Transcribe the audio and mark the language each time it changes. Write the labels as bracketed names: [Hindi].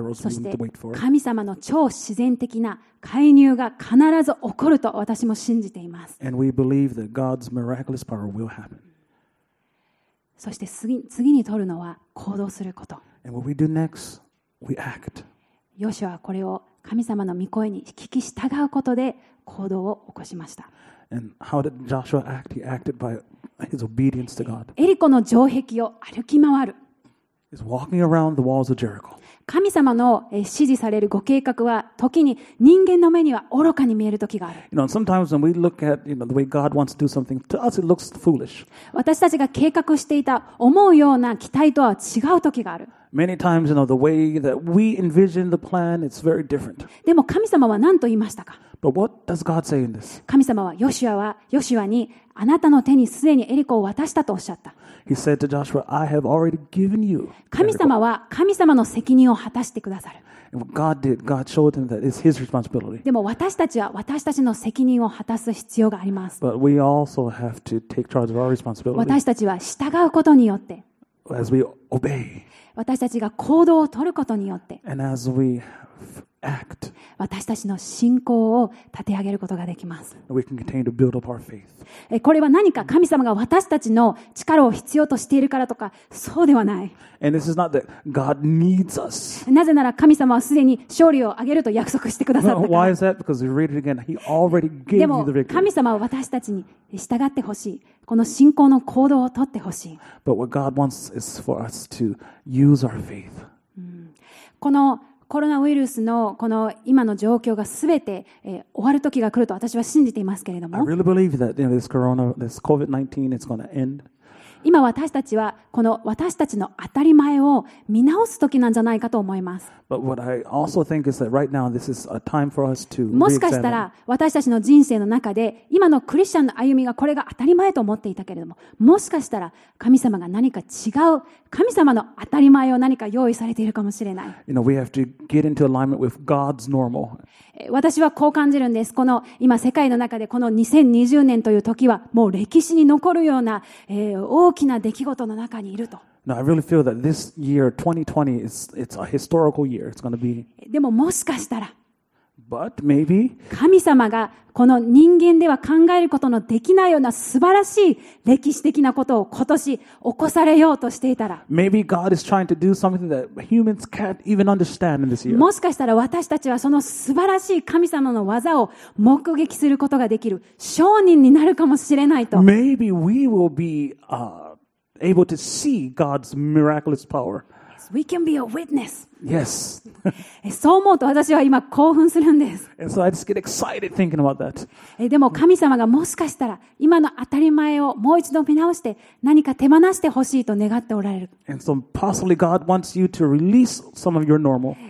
[Japanese] して神様の超自然的な介入が必ず起こると私も信じています。 [English] And we believe that God's miraculous power will happen. [Japanese] そして次に取るのは行動すること。 [English] And what we do next, we act. [Japanese] ヨシュアはこれを神様の御声に聞き従うことで行動を起こしました。 [English] And how did Joshua act? He acted by his obedience to God. [Japanese] エリコの城壁を歩き回る。 [English] He's walking around the walls of Jericho. [Japanese] 神様の指示されるご計画は時に人間の目には愚かに見える時がある。 [English] You know, sometimes when we look at the way God wants to do something, to us it looks foolish. [Japanese] 私たちが計画していた思うような期待とは違う時がある。 [English] Many times, the way that we envision the plan, it's very different. [Japanese] でも神様は何と言いましたか？ [English] But what does God say in this? [Japanese] 神様はヨシュアにあなたの手にすでにエリコを渡したとおっしゃった。 [English] He said to Joshua, I have already given you. [Japanese] 神様は神様の責任を果たしてくださる。 [English] And what God did, God showed him that it's His responsibility. [Japanese] でも私たちは私たちの責任を果たす必要があります。 [English] But we also have to take charge of our responsibility. [Japanese] 私たちは従うことによって。 [English] As we obey. [Japanese] 私たちが行動を取ることによって。 [English] And as we act. [Japanese] 私たちの信仰を立て上げることができます。 [English] We can continue to build up our faith. [Japanese] これは何か神様が私たちの力を必要としているからとか、そうではない。 [English] And this is not that God needs us. [Japanese] なぜなら神様はすでに勝利をあげると約束してくださったから。 [English] Why is that? Because we read it again. He already gave you the victory. [Japanese] でも神様は私たちに従ってほしい。この信仰の行動をとってほしい。 [English] But what God wants is for us to use our faith. [Japanese] このコロナウイルスのこの今の状況がすべて終わる時が来ると私は信じていますけれども。 [English] I really believe that, you know, this corona, this COVID-19, it's going to end. [Japanese] 今私たちはこの私たちの当たり前を見直す時なんじゃないかと思います。 [English] But what I also think is that right now this is a time for us to. [Japanese] もしかしたら私たちの人生の中で今のクリスチャンの歩みがこれが当たり前と思っていたけれども、もしかしたら神様が何か違う神様の当たり前を何か用意されているかもしれない。 [English] You know, we have to get into alignment with God's normal. [Japanese] 私はこう感じるんです。この今世界の中でこの2020年という時はもう歴史に残るような大きな出来事の中にいると。 [English] No, I really feel that this year, 2020, it's a historical year. It's going to be. [Japanese] でももしかしたら。 [English] But maybe. [Japanese] 神様がこの人間では考えることのできないような素晴らしい歴史的なことを今年起こされようとしていたら。 [English] Maybe God is trying to do something that humans can't even understand in this year. [Japanese] もしかしたら私たちはその素晴らしい神様の技を目撃することができる証人になるかもしれないと。 [English] Maybe we will be, able to see God's miraculous power. Yes, we can be a witness. Yes. [Japanese] そう思うと私は今興奮するんです。 [English] And so I just get excited thinking about that. [Japanese] でも神様がもしかしたら今の当たり前をもう一度見直して何か手放してほしいと願っておられる。 [English] And so possibly God wants you to release some of your normal.